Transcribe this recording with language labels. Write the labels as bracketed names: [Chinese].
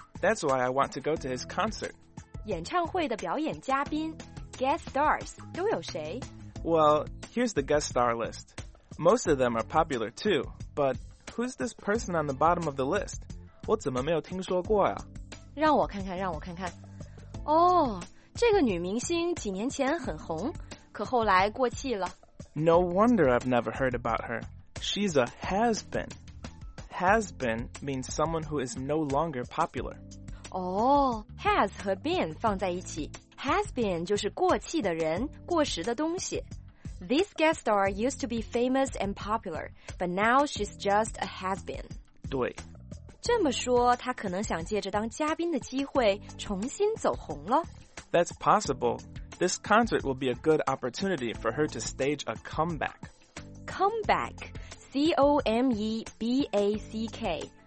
[English] That's why I want to go to his concert. [Chinese] 演唱会的表演嘉宾 ,guest stars, 都有谁 [English] ?Well, here's the guest star list. Most of them are popular too, but who's this person on the bottom of the list? [Chinese] 我怎么没有听说过呀、啊、让我看看，让我看看。哦、oh,这个女明星几年前很红，可后来过气了。 [English] No wonder I've never heard about her. She's a has-been. Has-been means someone who is no longer popular. [Chinese] 哦、has 和 been 放在一起。Has-been 就是过气的人，过时的东西。 [English] This guest star used to be famous and popular, but now she's just a has-been. [Chinese] 对。这么说，她可能想借着当嘉宾的机会重新走红了。 [English] That's possible. This concert will be a good opportunity for her to stage a comeback. Comeback, C-O-M-E-B-A-C-K.